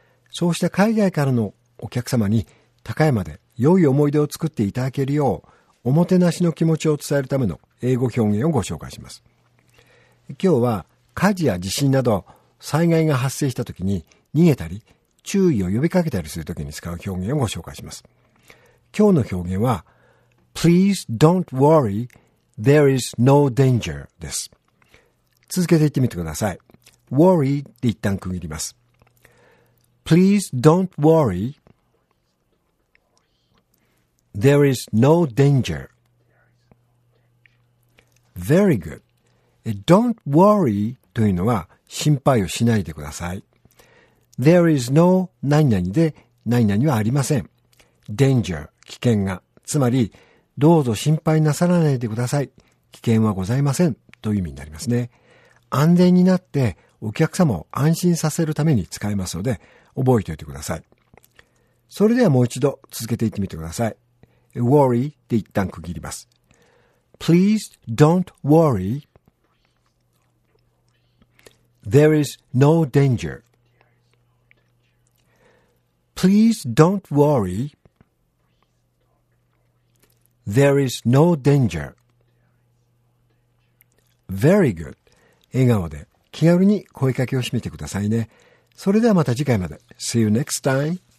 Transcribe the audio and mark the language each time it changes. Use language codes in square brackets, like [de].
[ja] そうした海外からのお客様に高山で良い思い出を作っていただけるよう、おもてなしの気持ちを伝えるための英語表現をご紹介します。今日は火事や地震など災害が発生した時に逃げたり、注意を呼びかけたりするときに使う表現をご紹介します。今日の表現は [en] Please don't worry, there is no danger [ja] です。続けて言ってみてください。Worry で一旦区切ります。 [en] Please don't worry, there is no danger. Very good. [ja] Don't worry というのは心配をしないでください。 There is no 何々で何々はありません。 Danger、危険が、つまりどうぞ心配なさらないでください、危険はございませんという意味になりますね。安全になってお客様を安心させるために使いますので覚えておいてください。それではもう一度続けていってみてください。Worry で一旦区切ります。 [en] Please don't worry, there is no danger. Please don't worryThere is no danger. Very good. [ja] 笑顔で気軽に声かけをしてみてくださいね。それではまた次回まで。 [en] See you next time.